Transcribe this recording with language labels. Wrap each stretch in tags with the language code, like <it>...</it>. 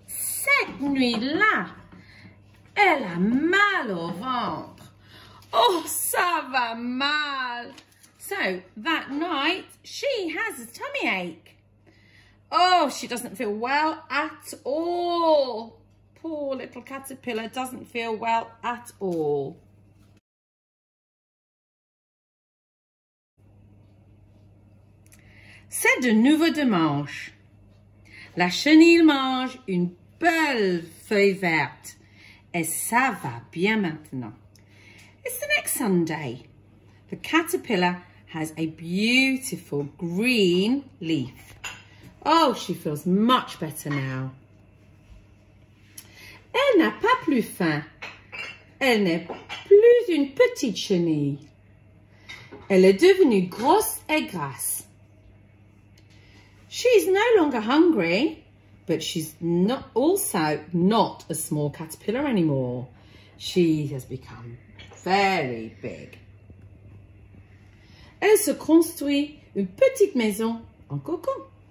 <fr>Cette nuit-là, elle a mal au ventre. Oh, ça va mal.</fr> <en>So, that night, she has a tummy ache. Oh, she doesn't feel well at all. Poor little caterpillar doesn't feel well at all.</en> <fr>C'est de nouveau dimanche. La chenille mange une belle feuille verte. Et ça va bien maintenant.</fr> <en>It's the next Sunday. The caterpillar has a beautiful green leaf. Oh, she feels much better now.</en> <fr>Elle n'a pas plus faim. Elle n'est plus une petite chenille. Elle est devenue grosse et grasse.</fr> <en>She's no longer hungry, but she's not also not a small caterpillar anymore. She has become very big.</en> <fr>Elle se construit une petite maison en cocon.</fr>